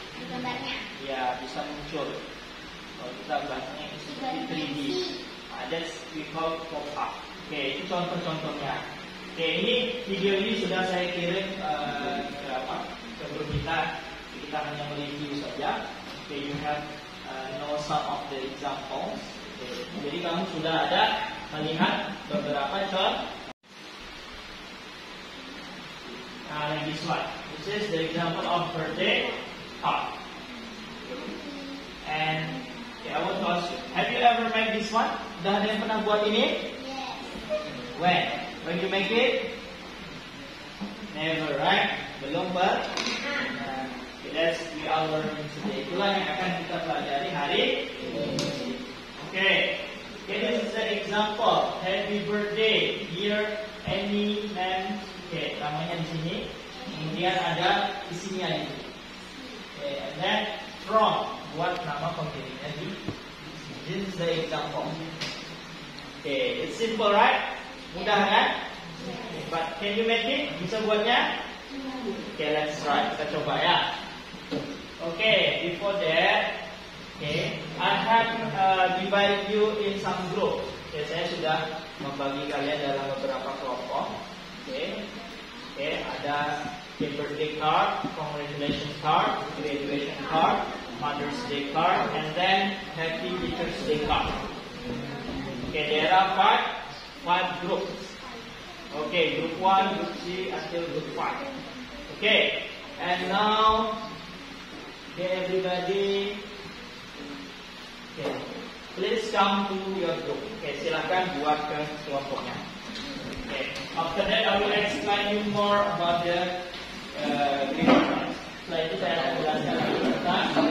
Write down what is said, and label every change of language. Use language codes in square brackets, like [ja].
[id] gambarnya. Ya, bisa muncul. Kalau kita bahasnya itu 3D. [en] Ada we call pop-up. [id] Oke, itu contoh-contohnya. Oke, ini video ini sudah saya kirim ke grup kita. Kita hanya mereview saja. [en] Okay, you have know some of the examples. Okay. [id] Jadi kamu sudah ada melihat beberapa contoh. Nah, lagi slide. [en] This is the example of birthday pop. And yeah, I want to ask you, have you ever made this one? [id] Sudah ada yang pernah buat ini? [en] Yes. When? When you make it? Never, right? [id] Belum ber? [en] That's the hour today. [id] Itulah yang akan kita pelajari hari ini. Okay. [en] This is an example. Happy birthday. Here, any man. [id] Okay, namanya di sini. Kemudian ada di sini lagi. [en] Okay, and then from. [id] Buat nama pemiliknya di sini. [en] This is the example. Okay, it's simple, right? [id] Mudah kan? [en] Okay, but can you make it? [id] Bisa buatnya? [en] Okay, let's try. [id] Kita coba ya. [en] Okay, before that, okay, I have divided you in some group. [id] Okay, saya sudah membagi kalian dalam beberapa kelompok. [en] Okay, ada birthday card, congratulations card, graduation card, Mother's Day card, and then Happy Teacher's Day card. Okay, there are five groups. Okay, group 1, group 3, until group 5. Okay, and now. Okay, everybody. Okay, please come to your group. [id] Okay, silakan buat ke kelompoknya. [en] Okay, after that I will explain you more about the green card. [id] Setelah itu saya akan jelaskan tentang.